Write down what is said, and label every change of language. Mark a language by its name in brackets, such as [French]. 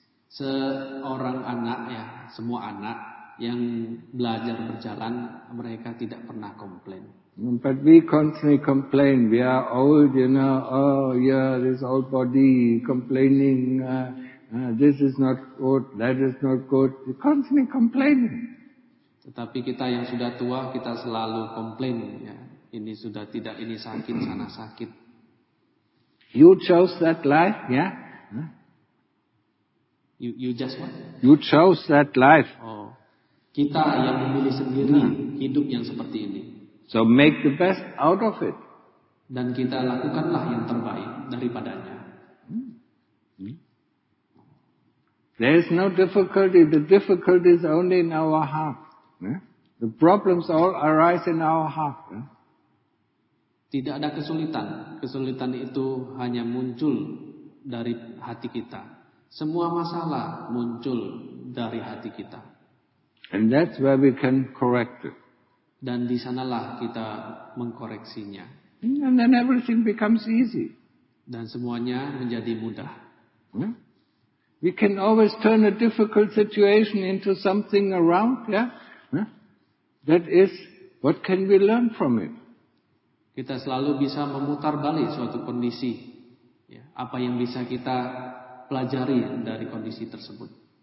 [Indonesian] Seorang anak, ya, semua anak yang belajar berjalan, mereka tidak pernah komplain. [English] But we constantly complain. We are old, you know. Oh, yeah, this old body complaining. This is not good. That is not good. We constantly complaining. [Indonesian] Tetapi kita yang sudah tua, kita selalu complain. Ya. Ini sudah tidak, ini sakit, sana sakit. [English] You chose that life, yeah? You just what? You chose that life. [Indonesian] Oh, kita yang memilih sendiri hidup yang seperti ini. [English] So make the best out of it. [Indonesian] Dan kita lakukanlah yang terbaik daripadanya. [English] There is no difficulty. The difficulty is only in our heart. The problems all arise in our heart. [Indonesian] Tidak ada kesulitan. Kesulitan itu hanya muncul dari hati kita. Semua masalah muncul dari hati kita. [English] And that's where we can correct it. [Indonesian] Dan di sanalah kita mengkoreksinya. [English] And then everything becomes easy. [Indonesian] Dan semuanya menjadi mudah. [English] We can always turn a difficult situation into something around, yeah? That is, what can we learn from it? [Indonesian] Kita selalu bisa memutar balik suatu kondisi. Apa yang bisa kita pelajari dari kondisi tersebut?